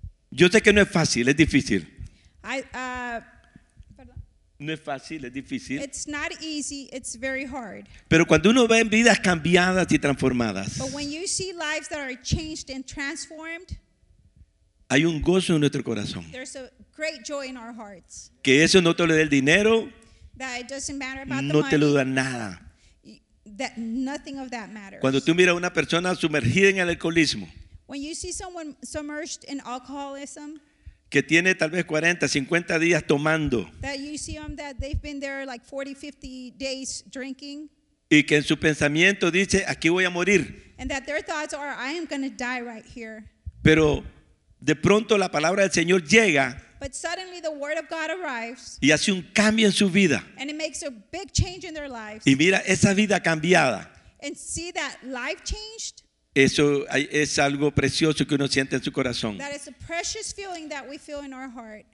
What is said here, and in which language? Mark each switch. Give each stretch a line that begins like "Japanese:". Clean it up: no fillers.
Spanish: Yo sé que no es fácil, es difícil. Perdón. No es fácil, es difícil.
English: It's not easy, it's very hard.
Spanish: Pero cuando uno ve vidas cambiadas y transformadas.
English: But when you see lives that are changed and transformed.
Spanish: Hay un gozo en nuestro corazón.
English: There's a great joy in our hearts.
Spanish: Que eso no te lo dé el dinero.
English: That it doesn't matter about
Spanish: no
English: the money.
Spanish: No te lo da nada.
English: That nothing of that matters.
Spanish: Cuando tú miras a una persona sumergida en el alcoholismo.
English: When you see someone submerged in alcoholism.
Spanish: Que tiene tal vez 40, 50 días tomando.
English: That you see them that they've been there like 40, 50 days drinking.
Spanish: Y que en su pensamiento dice, aquí voy a morir.
English: And that their thoughts are, I am going to die right here.
Spanish: Pero de pronto la palabra del Señor llega.
English: But suddenly the word of God arrives.
Spanish: Y hace un cambio en su vida.
English: And it makes a big change in their lives.
Spanish: Y mira esa vida cambiada.
English: And see that life changed.
Spanish: Eso es algo precioso que uno siente en su corazón.
English: That is a precious feeling that we feel in our heart.